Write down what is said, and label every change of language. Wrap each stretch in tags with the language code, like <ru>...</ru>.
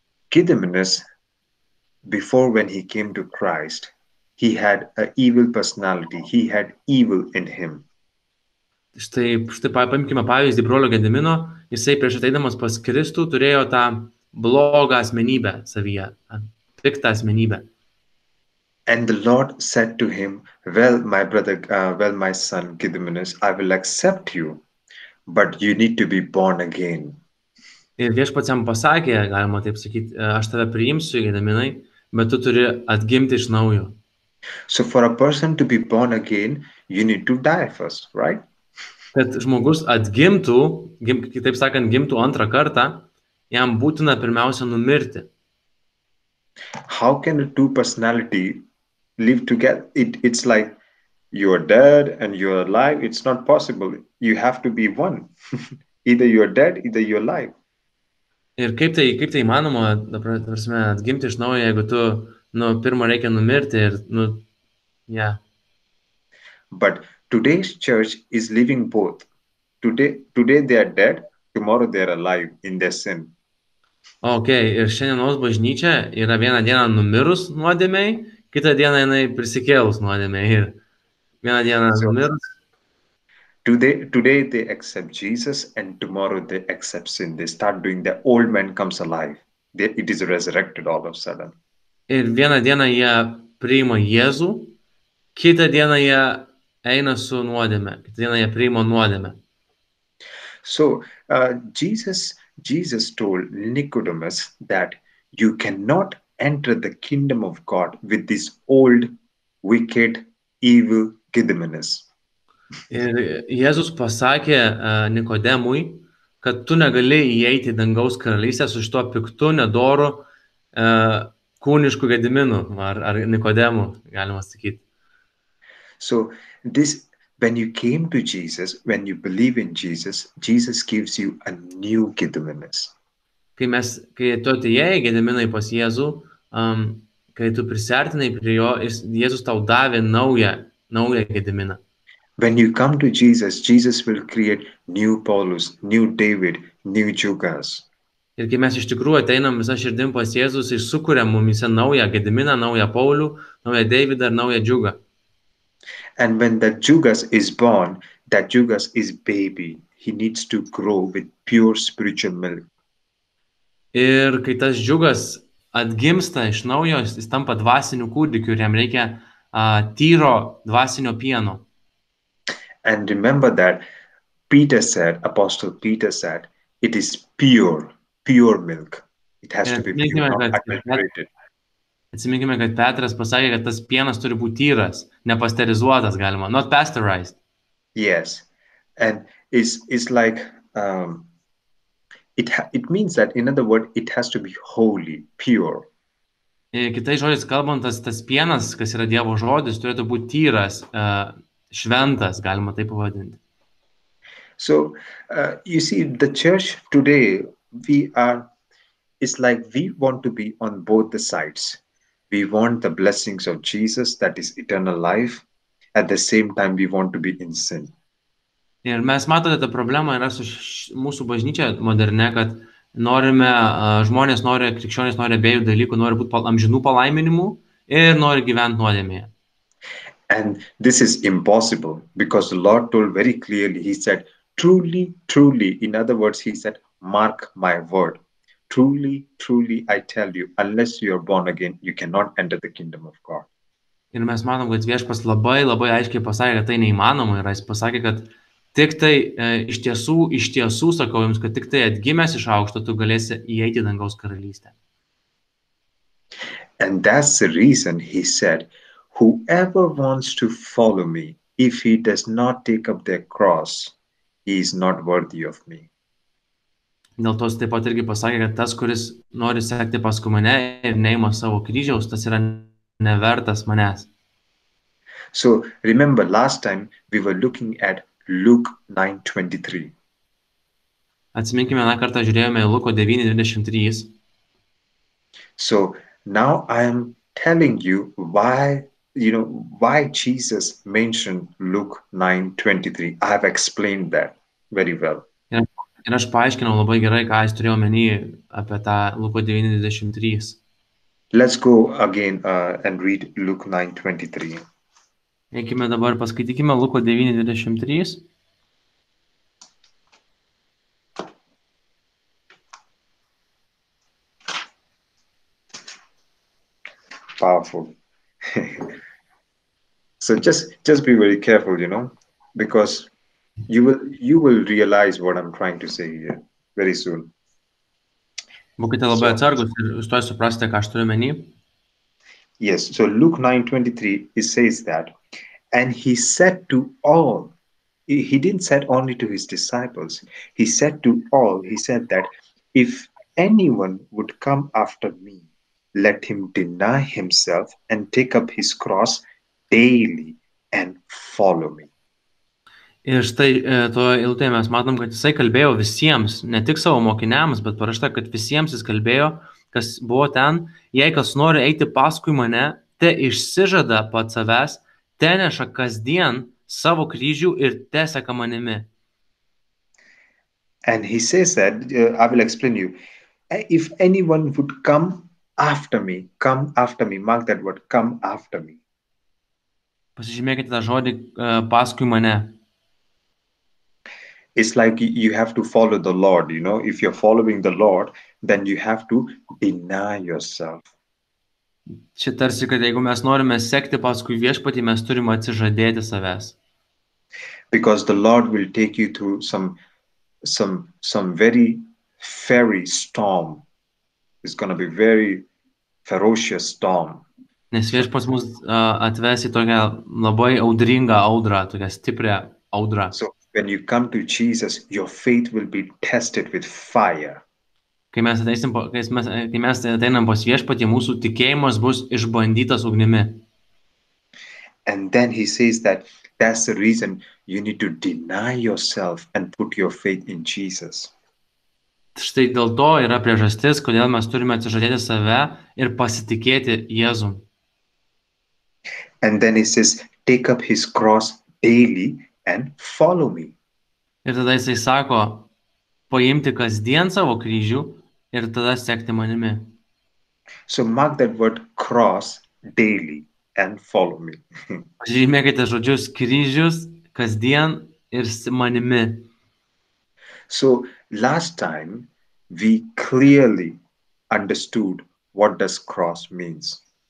<en>Gediminas, before when he came to Christ, He had an evil personality. He had evil in him.</en> <lt>Štai paimkime pavyzdį brolio Gedimino. Jisai prieš ateidamas pas Kristų turėjo tą blogą asmenybę savyje, piktą asmenybę.</lt> <en>And the Lord said to him, well, my brother, well, my son Gediminas, I will accept you, but you need to be born again.</en> <lt>Ir Viešpats jam pasakė, galima taip sakyti, aš tave priimsiu, Gediminai, bet tu turi atgimti iš naujo.</lt> <en>So for a person to be born again, you need to die first, right?</en> <lt>Kad žmogus atgimtų, kitaip sakant, gimtų antrą kartą, jam būtina pirmiausia numirti.</lt> <en>How can the two personality live together? It's like you're dead and you're alive. It's not possible. You have to be one. Either you're dead, either you're alive.</en> <lt>Ir kaip tai įmanoma, prasme, atgimti iš naujo, jeigu tu, nu, pirmą reikia numirti ir, nu, yeah.</lt> <en>But today's church is living both. Today they are dead, tomorrow they are alive in their sin.</en> <lt>Okay, ir šiandienos bažnyčia yra vieną dieną numirus nuodėmiai, kitą dieną jinai prisikėlus nuodėmiai ir vieną dieną numirus.</lt> <en>Today they accept Jesus and tomorrow they accept sin. They start doing the old man comes alive. It is resurrected all of a sudden.</en> <lt>Ir vieną dieną jie priima Jėzų, kitą dieną jie eina su nuodėme, kitą dieną jie priima nuodėme.</lt> <en>So, Jesus told Nicodemus that you cannot enter the kingdom of God with this old, wicked, evil Gediminas.</en> <lt>Ir Jėzus pasakė Nikodemui, kad tu negali įeiti į dangaus karalystę su šito piktu, nedoru, kūnišku Gediminu, ar Nikodemu, galima sakyti.</lt> <en>So, when you came to Jesus, when you believe in Jesus, Jesus gives you a new Gediminas.</en> <lt>Kai tu atėjai Gediminai pas Jėzų, kai tu prisertinai prie jo, Jėzus tau davė naują Gediminą.</lt> <en>When you come to Jesus, Jesus will create new Paulus, new David, new Jukas.</en> <lt>Ir kai mes iš tikrųjų ateinam visą širdim pas Jėzus, jis sukuria mumise naują Gediminą, naują Paulių, naują Davidą ir naują Džiugą.</lt> <en>And when that Jugas is born, that Jugas is baby. He needs to grow with pure spiritual milk.</en> <lt>Ir kai tas Jugas atgimsta iš naujo, jis tampa dvasiniu kūdikiu ir jam reikia tyro dvasinio pieno.</lt> <en>And remember that Peter said, Apostle Peter said, it is pure milk. It has to be pure, not adulterated.</en> <lt>Atsiminkime, kad Petras pasakė, kad tas pienas turi būti tyras, nepasterizuotas galima,</lt> <en>not pasteurized. Yes, and it's like, it means that, in other words, it has to be holy, pure.</en> <lt>Kitais žodžiais kalbant, tas pienas, kas yra Dievo žodis, turėtų būti tyras, šventas, galima taip pavadinti.</lt> <en>So, you see, the church today, we want to be on both the sides. We want the blessings of Jesus, that is eternal life. At the same time, we want to be in sin.</en> <lt>Ir mes matote, ta problema yra su mūsų bažnyčia moderne, kad norime, žmonės nori, krikščionės nori abiejų dalykų, nori būti amžinų palaiminimų ir nori gyventi nuodėmėje.</lt> <en>And this is impossible, because the Lord told very clearly, he said, truly, truly, in other words, he said, mark my word. Truly, truly, I tell you, unless you are born again, you cannot enter the kingdom of God.</en> <lt>Ir mes manom, kad Viešpas labai, labai aiškiai pasakė, kad tai neįmanoma yra. Jis pasakė, kad tik tai iš tiesų, sakau jums, kad tik tai atgimęs iš aukšto, tu galėsi įeiti dangaus karalystę.</lt> <en>And that's the reason he said, whoever wants to follow me, if he does not take up their cross, he is not worthy of me.</en> <lt>Dėl to taip pat irgi pasakė, kad tas, kuris nori sekti paskui mane ir neima savo kryžiaus, tas yra nevertas manęs.</lt> <en>So, remember, last time we were looking at Luke 9:23.</en> <lt>Atsiminkime, vieną kartą žiūrėjome Luko 9:23.</lt> <en>So, now I am telling you why Jesus mentioned Luke 9:23. I have explained that very well.</en> <lt>Ir aš paaiškinau labai gerai, ką jis turėjo menį apie tą Luko 9:23.</lt> <en>Let's go again and read Luke 9:23.</en> <lt>Eikime dabar paskaitykime Luko 9:23.</lt> <en>Powerful. So just be very careful, you know, because you will realize what I'm trying to say here very soon.</en> <lt>Būkite labai atsargus ir jūs tuoj suprasite, ką aš turiu meni.</lt> <en>Yes, so Luke 9:23, it says that, and he said to all, he didn't say only to his disciples, he said to all, he said that, if anyone would come after me, let him deny himself and take up his cross daily and follow me.</en> <lt>Ir štai toje eilutėje mes matom, kad jisai kalbėjo visiems, ne tik savo mokiniams, bet parašta, kad visiems jis kalbėjo, kas buvo ten, jei kas nori eiti paskui mane, te išsižada pat savęs, te neša kasdien savo kryžių ir te seka manimi.</lt> <en>And he says that, I will explain you, if anyone would come after me, mark that word, come after me.</en> <lt>Pasižymėkite tą žodį paskui mane.</lt> <en>It's like you have to follow the Lord, you know. If you're following the Lord, then you have to deny yourself.</en> <lt>Čia tarsi, kad jeigu mes norime sekti paskui viešpatį, mes turime atsižadėti savęs.</lt> <en>Because the Lord will take you through some very fiery storm. It's going to be very ferocious storm.</en> <lt>Nes viešpats mus atves į tokią labai audringą audrą, tokią stiprią audrą.</lt> <en>So, when you come to Jesus, your faith will be tested with fire.</en> <lt>Kai mes ateinam pas viešpatį, mūsų tikėjimas bus išbandytas ugnimi.</lt> <en>And then he says that that's the reason you need to deny yourself and put your faith in Jesus.</en> <lt>Štai dėl to yra priežastis, kodėl mes turime atsižadėti save ir pasitikėti Jėzum.</lt> <en>And then he says, take up his cross daily and follow me.</en> <lt>Ir tada jisai sako, paimti kasdien savo kryžių ir tada sekti manimi.</lt> <en>So mark that word cross daily and follow me.</en> <lt>Žymėkite žodžius kryžius kasdien ir manimi.</lt> <en>So last time we clearly understood what does cross means.</en>